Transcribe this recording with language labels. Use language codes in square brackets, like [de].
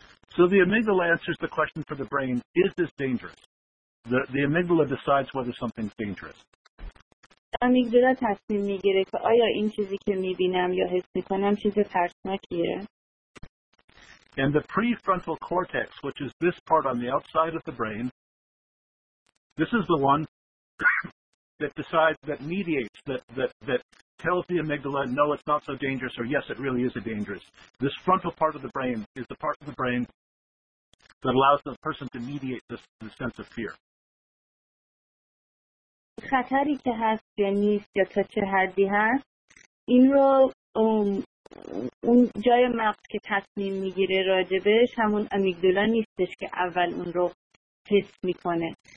[en] So the amygdala answers the question for the brain, is this dangerous? The amygdala decides whether something's dangerous. [fa] آمیگدالا تصمیم میگیره که آیا این چیزی که میبینم یا حس میکنم چیز ترسناکیه. [en] And the prefrontal cortex, which is this part on the outside of the brain, this is the one that decides, that mediates, that tells the amygdala, no, it's not so dangerous, or yes, it really is a dangerous. This frontal part of the brain is the part of the brain that allows the person to mediate the sense of fear. [fa] خطری که هست یا نیست یا تا چه حدی هست این رو اون جای مغز که تصمیم میگیره راجبش همون آمیگدالا نیستش که اول اون رو حس میکنه